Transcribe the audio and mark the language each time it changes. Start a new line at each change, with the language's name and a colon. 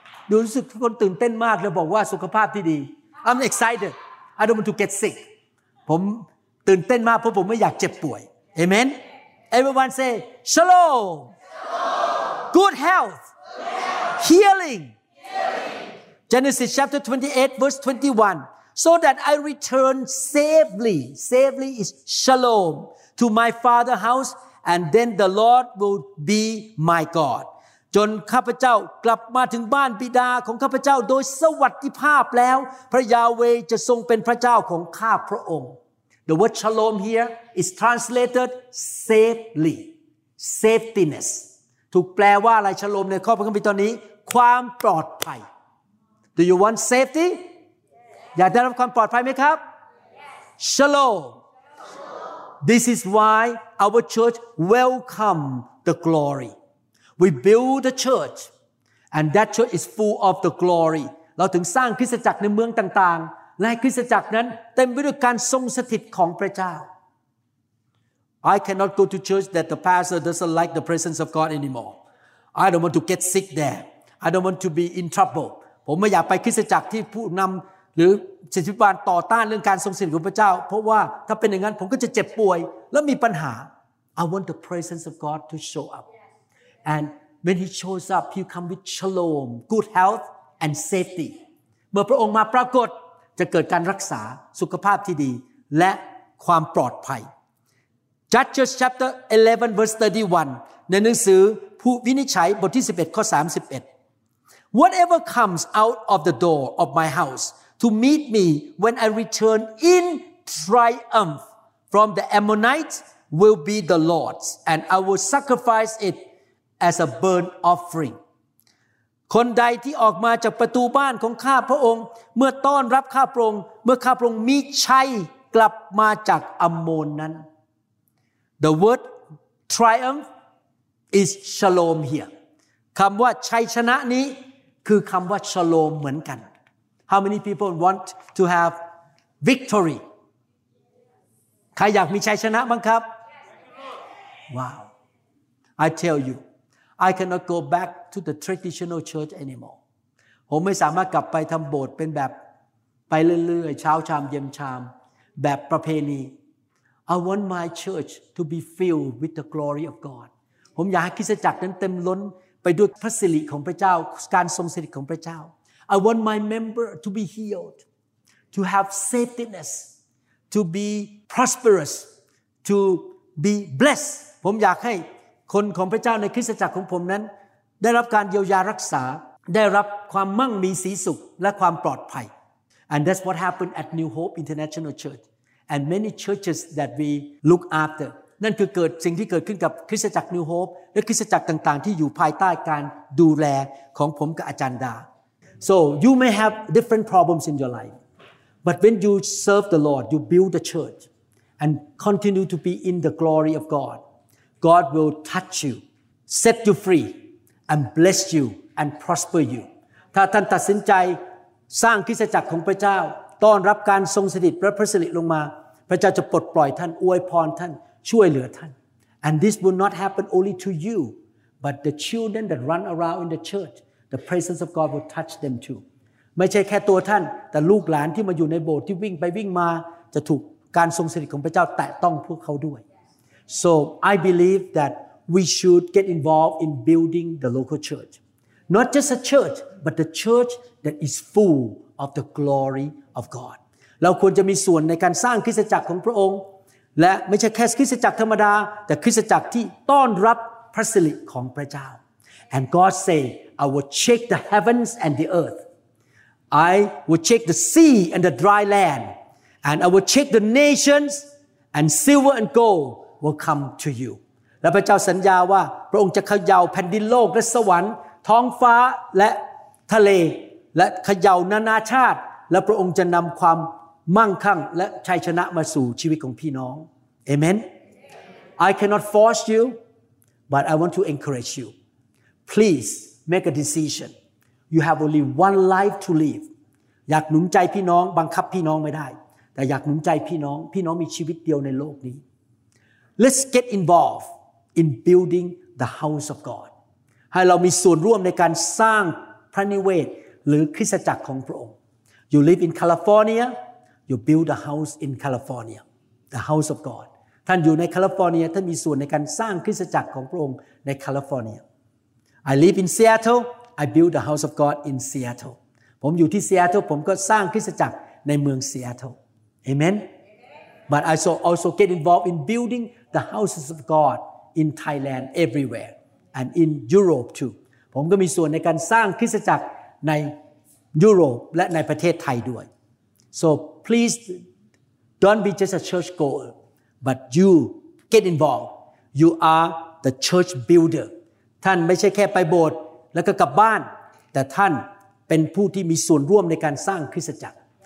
Thai: ดูรู้สึกทุกคนตื่นเต้นมากแล้วบอกว่าสุขภาพที่ดี
English: I'm excited. I don't want to get sick.
Thai: ผมตื่นเต้นมากเพราะผมไม่อยากเจ็บป่วย
English: Amen. Everyone say shalom. Good health. Yeah. Healing. Healing. Genesis chapter 28 verse 21. So that I return safely. Safely is shalom. To my father's house. And then the Lord will be my God.
Thai: จนข้าพเจ้ากลับมาถึงบ้านบิดาของข้าพเจ้าโดยสวัสดิภาพแล้วพระยาเวจะทรงเป็นพระเจ้าของข้าพระองค์
English: The word shalom here is translated safely. Safetyness.
Thai: ถูกแปลว่าอะไรชโลมในข้อพระคัมภีร์ตอนนี้ความปลอดภัย
English: Do you want safety? Yes.
Thai: อยากได้รับความปลอดภัยไหมครับ
English: Yes. Shalom. This is why our church welcome the glory. We build the church, and that church is full of the glory.
Thai: เราถึงสร้างคริสตจักรในเมืองต่างๆและคริสตจักรนั้นเต็มไปด้วยการทรงสถิตของพระเจ้า
English: I cannot go to church that the pastor doesn't like the presence of God anymore. I don't want to get sick there. I don't want to be in trouble.
Thai: ผมไม่อยากไปคริสตจักรที่ผู้นำหรือศิษย์ภิบาลต่อต้านเรื่องการทรงสถิตของพระเจ้าเพราะว่าถ้าเป็นอย่างนั้นผมก็จะเจ็บป่วยและมีปัญหา
English: I want the presence of God to show up. And when he shows up, he'll come with shalom, good health, and safety.
Thai: เมื่อพระองค์มาปรากฏจะเกิดการรักษาสุขภาพที่ดี และความปลอดภัย
English: Judges chapter 11 verse 31
Thai: ในหนังสือผู้วินิจฉัยบทที่11ข้อ31
English: Whatever comes out of the door of my house to meet me when I return in triumph from the Ammonites will be the Lord's and I will sacrifice it as a burnt offering.
Thai: คนใดที่ออกมาจากประตูบ้านของข้าพระองค์เมื่อต้อนรับข้าพระองค์เมื่อข้าพระองค์มีชัยกลับมาจากอัมโมนนั้น
English: The word triumph is shalom here
Thai: คำว่าชัยชนะนี้คือคำว่าชโลมเหมือนกัน
English: How many people want to have victory
Thai: ใครอยากมีชัยชนะบ้างครับ
English: Wow I tell youI cannot go back to the traditional church anymore.
Thai: ผมไม่สามารถกลับไปทำโบสถ์เป็นแบบไปเรื่อยๆเช้าชามเย็นชามแบบประเพณี
English: I want my church to be filled with the glory of God.
Thai: ผมอยากให้คริสตจักรนั้นเต็มล้นไปด้วยพระสิริของพระเจ้าการทรงสถิตของพระเจ้า
English: I want my member to be healed, to have safetyness, to be prosperous, to be blessed.
Thai: ผมอยากให้คนของพระเจ้าในคริสตจักรของผมนั้นได้รับการเยียวยารักษาได้รับความมั่งมีสีสุขและความปลอดภัย
English: And that's what happened at New Hope International Church and many churches that we look after
Thai: นั่นคือเกิดสิ่งที่เกิดขึ้นกับคริสตจักร New Hope และคริสตจักรต่างๆที่อยู่ภายใต้การดูแลของผมกับอาจารย์ดา
English: So you may have different problems in your life but when you serve the Lord you build the church and continue to be in the glory of GodGod will touch you, set you free, and bless you, and prosper you.
Thai: ถ้าท่านตัดสินใจสร้างคริสตจักรของพระเจ้าต้อนรับการทรงสถิตและพระสิริลงมาพระเจ้าจะปลดปล่อยท่านอวยพรท่านช่วยเหลือท่าน
English: And this will not happen only to you, but the children that run around in the church, the presence of God will touch them too.
Thai: ไม่ใช่แค่ตัวท่านแต่ลูกหลานที่มาอยู่ในโบสถ์ที่วิ่งไปวิ่งมาจะถูกการทรงสถิตของพระเจ้าแตะต้องพวกเขาด้วย
English: So I believe that we should get involved in building the local church. Not just a church, but the church that is full of the glory of God.
Thai: เราควรจะมีส่วนในการสร้างคริสตจักรของพระองค์และไม่ใช่แค่คริสตจักรธรรมดาแต่คริสตจักรที่ต้อนรับพระสิริของพระเจ้า
English: And God say, I will shake the heavens and the earth. I will shake the sea and the dry land. And I will shake the nations and silver and goldwill come to you.
Thai: และพระเจ้าสัญญาว่าพระองค์จะเขย่าแผ่นดินโลกและสวรรค์ท้องฟ้าและทะเลและเขย่านานาชาติและพระองค์จะนำความมั่งคั่งและชัยชนะมาสู่ชีวิตของพี่น้อง
English: Amen. I cannot force you, but I want to encourage you. Please make a decision. You have only one life to live.
Thai: อยากหนุนใจพี่น้องบังคับพี่น้องไม่ได้แต่อยากหนุนใจพี่น้องพี่น้องมีชีวิตเดียวในโลกนี้
English: Let's get involved in building the house of God.
Thai: ให้เรามีส่วนร่วมในการสร้างพระนิเวศหรือคริสตจักรของพระองค์
English: You live in California, you build a house in California, the house of God.
Thai: ท่านอยู่ในแคลิฟอร์เนียท่านมีส่วนในการสร้างคริสตจักรของพระองค์ในแคลิฟอร์เนีย
English: I live in Seattle, I build the house of God in Seattle.
Thai: ผมอยู่ที่ Seattle ผมก็สร้างคริสตจักรในเมือง Seattle.
English: Amen. But I also get involved in building the houses of God in Thailand everywhere and in Europe too.
Thai: ผมก็มีส่วนในการสร้างคริสตจักรในยุโรปและในประเทศไทยด้วย
English: So please don't be just a church goer, but you get involved. You are the church builder.
Thai: ท่านไม่ใช่แค่ไปโบสถ์แล้วก็กลับบ้านแต่ท่านเป็นผู้ที่มีส่วนร่วมในการสร้างคริสตจักร